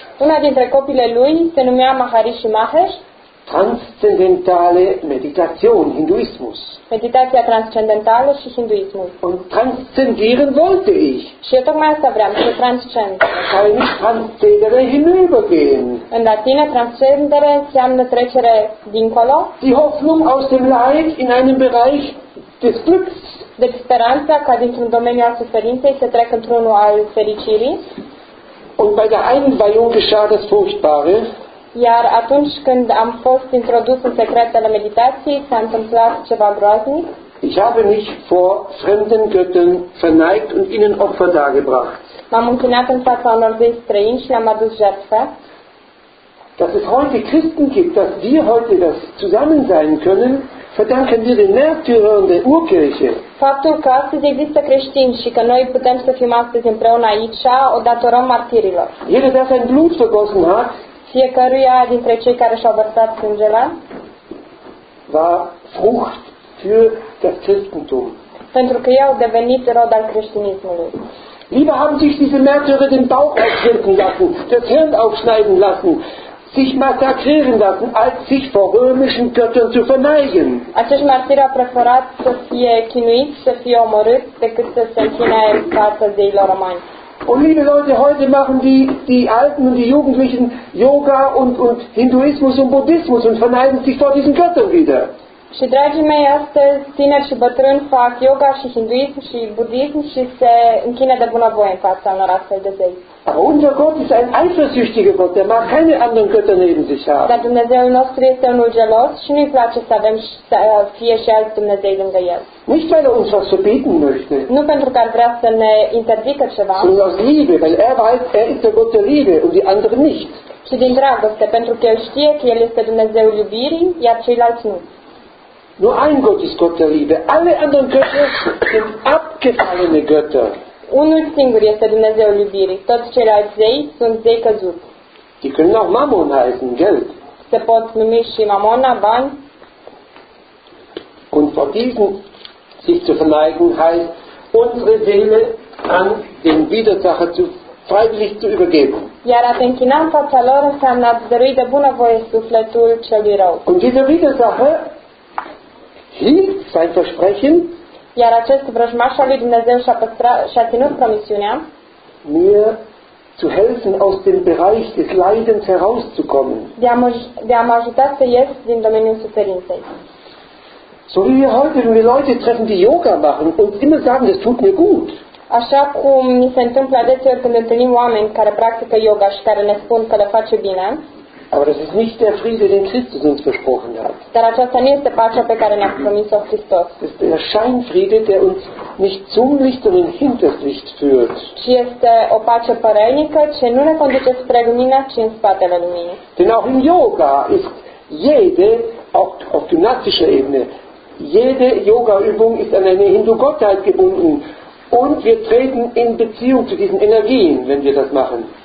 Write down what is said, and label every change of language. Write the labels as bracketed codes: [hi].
[ro] Una dintre copiile lui se numea Maharishi Mahesh. [de] Transzendentale Meditation, Hinduismus. [ro] Meditația transcendentală și hinduismul. [de] Und transzendieren wollte ich. [ro] Și eu tocmai asta vreau, să transcend. [de] Kann ich transzendere hinübergehen. [ro] În latină, transcendere înseamnă trecere dincolo. [de] Die Hoffnung aus dem Leid in einen Bereich des Glücks. [ro] Deci speranța ca dintr-un domeniu al suferinței să trec într-unul al fericirii. [de] Und bei der Einweihung geschah das Furchtbare. [ro] Iar atunci când am fost introdus în secretele meditației, s-a întâmplat ceva groaznic. [de] Ich habe mich vor fremden Göttern verneigt und ihnen Opfer dargebracht. [ro] M-am închinat în fața unor zei străini și le-am adus jertfe. [de] Dass es heute Christen gibt, dass wir heute das zusammen sein können, verdanken wir den Märtyrern der Urkirche. [ro] Faptul că astăzi există creștini și că noi putem să fim astăzi împreună aici, o datorăm martirilor. [de] Jeder, der sein Blut vergossen hat, [ro] fiecăruia dintre cei care și-au vărsat sângele [de] war Frucht für das Christentum. [ro] Pentru că ei au devenit rod al creștinismului. [de] Lieber haben sich diese Märtyrer den Bauch aufschlitzen lassen, das Hirn aufschneiden lassen, sich massakrieren lassen, als sich vor römischen Göttern zu verneigen. [ro] Acești martiri au preferat să fie chinuiți, să fie omorât, decât să se închine în fața zeilor romani. [de] Und liebe Leute, heute machen die Alten und die Jugendlichen Yoga und Hinduismus und Buddhismus und verneigen sich vor diesen Göttern wieder. [ro] Și dragii mei, astăzi tineri și bătrâni fac yoga și hinduism și budism și se închină de bunăvoie în fața unor astfel de zei. [de] Unser Gott ist ein eifersüchtiger Gott, der mag keine anderen Götter neben sich haben. [ro] Dar Dumnezeul nostru este unul gelos și nu-i place să avem fie și alți Dumnezei lângă El. [de] Nicht weil uns was verbieten möchte. [ro] Nu pentru că ar vrea să ne interzică ceva. [de] Sondern aus Liebe, weil weiß, er ist der Gott der Liebe und die anderen nicht. [ro] Și din dragoste, pentru că El știe că El este Dumnezeul iubirii, iar ceilalți nu. [de] Nur ein Gott ist Gott der Liebe. Alle anderen Götter sind abgefallene Götter. [ro] Unul singur este Dumnezeul iubirii. Toți ceilalți zei sunt zei căzuți. [de] Die können auch Mammon heißen, Geld. [ro] Se pot numi și Mamona, bani. [de] Und vor diesen sich zu verneigen heißt, unsere Seele an den Widersacher zu freiwillig zu übergeben. [ro] Iar a te închina în fața lor înseamnă a-ți dărui de bunăvoie sufletul celui rău. [de] Und dieser Widersacher hielt sein Versprechen. [ro] Iar acest vrăjmaș al lui Dumnezeu și-a ținut promisiunea [de] mir zu helfen aus dem Bereich des Leidens herauszukommen. [ro] De a mă ajuta să ies din domeniul suferinței. [de] So wie wir heute, wenn wir Leute treffen, die Yoga machen und immer sagen, das tut mir gut. [ro] Așa cum ni se întâmplă adeseori când întâlnim oameni care practică yoga și care ne spun că le face bine. [de] Aber das ist nicht der Friede, den Christus uns versprochen hat. [ro] Dar aceasta nu este pacea pe care ne-a promis-o Hristos. [de] Das ist der Scheinfriede, der uns nicht zum Licht, sondern hinters Licht führt. [ro] Ci este o pace părăinică, ce nu ne conduce spre lumină, ci în spatele luminii. [de] Denn auch in Yoga ist jede, auch auf gymnastischer Ebene, jede Yoga-Übung ist an eine Hindu-Gottheit gebunden. Und wir treten in Beziehung zu diesen Energien, wenn wir das machen.